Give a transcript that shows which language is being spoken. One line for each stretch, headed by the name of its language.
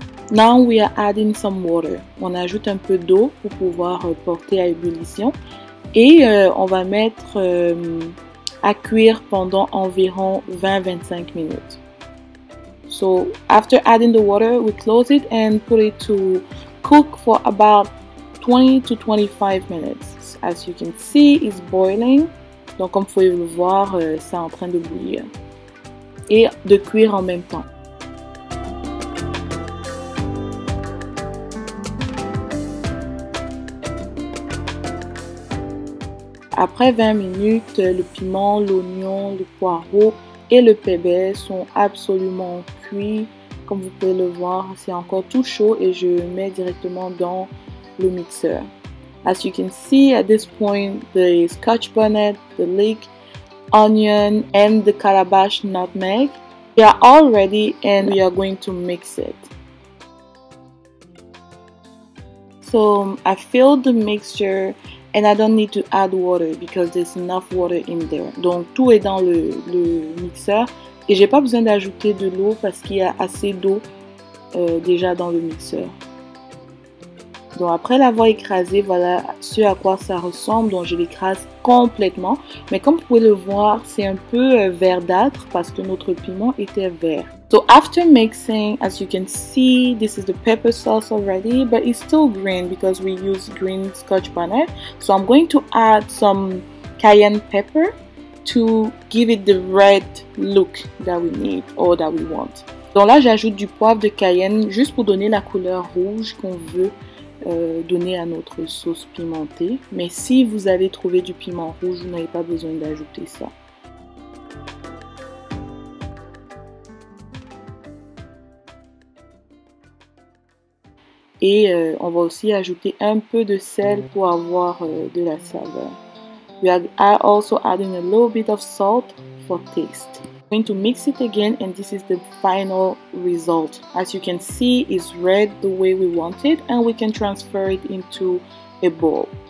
English: Now we are adding some water.
French: On ajoute un peu d'eau pour pouvoir porter à ébullition. Et on va mettre à cuire pendant environ 20-25 minutes.
English: So after adding the water, we close it and put it to cook for about 20 to 25 minutes. As you can see, it's boiling.
French: Donc comme vous pouvez le voir, c'est en train de bouillir. Et de cuire en même temps. Après 20 minutes, le piment, l'oignon, le poireau et le pebe sont absolument cuits. Comme vous pouvez le voir, c'est encore tout chaud et je mets directement dans le mixeur.
English: As you can see, at this point, the scotch bonnet, the leek, onion and the calabash nutmeg, they are all ready and we are going to mix it. So I filled the mixture and I don't need to add water because there's enough water in there.
French: Donc tout est dans le mixeur et j'ai pas besoin d'ajouter de l'eau parce qu'il y a assez d'eau déjà dans le mixeur. Donc après l'avoir écrasé, voilà ce à quoi ça ressemble. Donc je l'écrase complètement. Mais comme vous pouvez le voir, c'est un peu verdâtre parce que notre piment était vert.
English: So after mixing, as you can see, this is the pepper sauce already, but it's still green because we use green scotch bonnet. So I'm going to add some cayenne pepper to give it the red look that we need or that we want.
French: Donc là, j'ajoute du poivre de cayenne juste pour donner la couleur rouge qu'on veut donner à notre sauce pimentée. Mais si vous avez trouvé du piment rouge, vous n'avez pas besoin d'ajouter ça. Et on va aussi ajouter un peu de sel pour avoir de la saveur.
English: We are also adding a little bit of salt for taste. I'm going to mix it again and this is the final result. As you can see, it's red the way we want it and we can transfer it into a bowl.